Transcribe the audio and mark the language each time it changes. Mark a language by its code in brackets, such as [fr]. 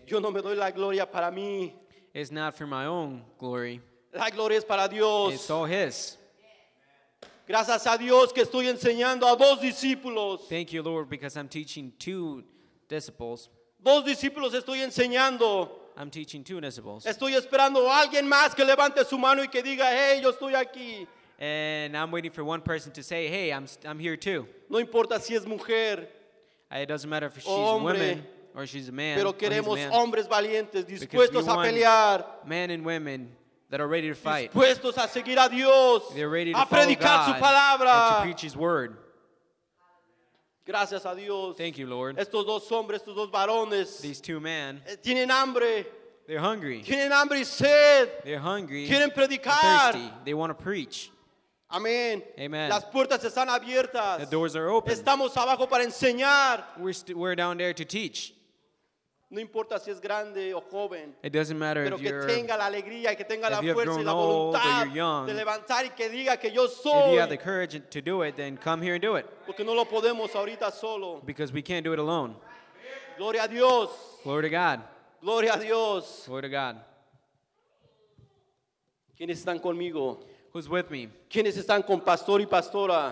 [es] Yo no me doy la gloria para mí. [en] It's not for my own glory. [es] La gloria es para Dios. [en] It's all His. [es] Gracias a Dios que estoy enseñando a dos discípulos. [en] Thank you, Lord, because I'm teaching two disciples. [es] Dos discípulos estoy enseñando. [en] I'm teaching two disciples. [es] Estoy esperando a alguien más que levante su mano y que diga, hey, yo estoy aquí. [en] And I'm waiting for one person to say, hey, I'm here too. [es] No importa si es mujer. [en] It doesn't matter if she's [es] hombre, [en] a woman or she's a man. [es] Pero queremos hombres valientes, dispuestos a pelear. [en] Men and women that are ready to fight. [es] Dispuestos a seguir a Dios. [en] They're ready to [es] a predicar su palabra. [en] And to preach His word. [es] Gracias a Dios. [en] Thank you, Lord. [es] Estos dos hombres, estos dos varones. [en] These two men. [es] Tienen hambre. [en] They're hungry. [es] Tienen hambre y sed. [en] They're hungry. [es] Quieren predicar. [en] Thirsty. They want to preach. [es] Amén. [en] Amen. [es] Las puertas están abiertas. [en] The doors are open. [es] Estamos abajo para enseñar. [en] We're down there to teach. [es] No importa si es grande o joven. [en] It doesn't matter [es] pero [en] if you're. [es] Pero que tenga la alegría y que tenga la fuerza y la voluntad [en] old, or you're young, [es] de levantar y que diga que yo soy. [en] If you have the courage to do it, then come here and do it. [es] Porque no lo podemos ahorita solo. [en] Because we can't do it alone. [es] Gloria a Dios. [en] Glory to God. [es] Gloria a Dios. [en] Glory to God. [es] ¿Quiénes están conmigo? [en] Who's with me? [es] ¿Quiénes están con pastor y pastora?